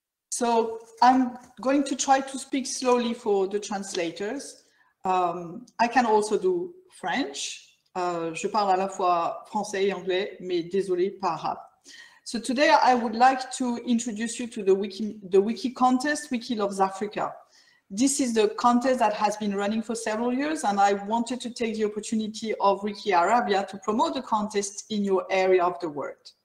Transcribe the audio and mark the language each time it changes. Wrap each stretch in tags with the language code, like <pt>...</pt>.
<en>So I'm going to try to speak slowly for the translators. I can also do French.</en> <fr>Je parle à la fois français et anglais, mais désolé, pas arabe.</fr> <en>So today I would like to introduce you to the wiki contest, Wiki Loves Africa. This is the contest that has been running for several years, and I wanted to take the opportunity of WikiArabia to promote the contest in your area of the world.</en>